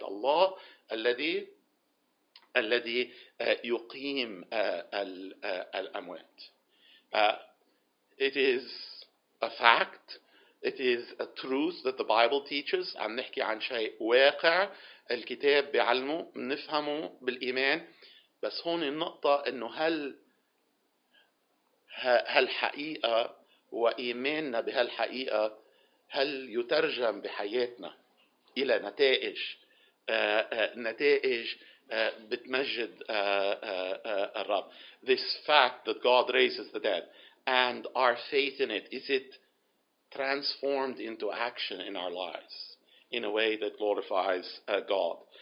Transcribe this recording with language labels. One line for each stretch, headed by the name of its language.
English: Allah,
Arabic: الذي يقيم الأموات.
English: It is a fact. It is a truth that the Bible teaches.
Arabic: عم نحكي عن شيء واقع الكتاب بيعلمه بنفهمه بالإيمان. بس هون النقطة إنه هل حقيقة وإيماننا بهالحقيقة هل يترجم بحياتنا إلى نتائج بتمجد الرب.
English: This fact that God raises the dead and our faith in it, is it transformed into action in our lives in a way that glorifies God?